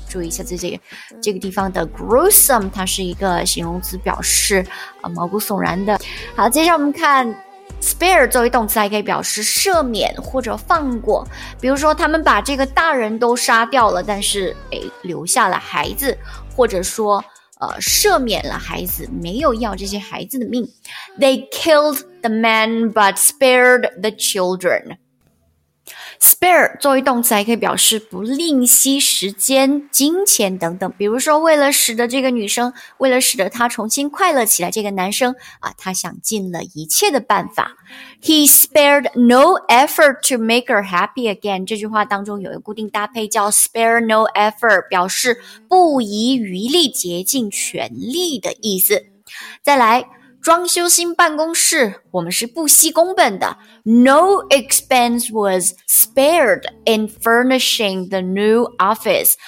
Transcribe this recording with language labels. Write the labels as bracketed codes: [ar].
[zh] 注意一下这个地方的 gruesome， 它是一个形容词，表示毛骨悚然的。好，接下来我们看 spare 作为动词，还可以表示赦免或者放过。比如说他们把这个大人都杀掉了，但是留下了孩子，或者说赦免了孩子，没有要这些孩子的命。 [en] They killed the man but spared the children. [zh] Spare 作为动词，还可以表示不吝惜时间、金钱等等。比如说为了使得这个女生，为了使得她重新快乐起来，这个男生他想尽了一切的办法。 [en] He spared no effort to make her happy again. [zh] 这句话当中有一个固定搭配叫 spare no effort， 表示不遗余力、竭尽全力的意思。再来，装修新办公室，我们是不惜工本的。 [en] No expense was spared in furnishing the new office.